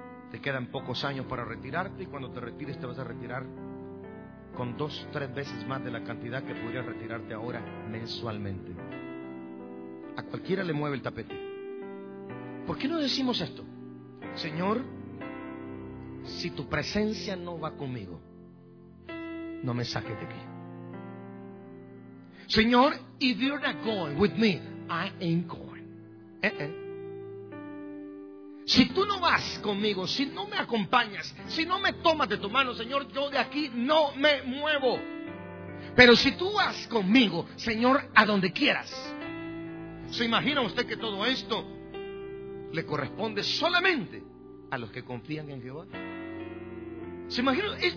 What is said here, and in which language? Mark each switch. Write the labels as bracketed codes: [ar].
[es] Te quedan pocos años para retirarte, y cuando te retires te vas a retirar con 2-3 veces más de la cantidad que podrías retirarte ahora mensualmente. A cualquiera le mueve el tapete. ¿Por qué no decimos esto? Señor, si tu presencia no va conmigo, no me saques de aquí. [en] Señor, if you're not going with me, I ain't going. [es] Si tú no vas conmigo, si no me acompañas, si no me tomas de tu mano, Señor, yo de aquí no me muevo. Pero si tú vas conmigo, Señor, a donde quieras. ¿Se imagina usted que todo esto le corresponde solamente a los que confían en Jehová? ¿Se imagina?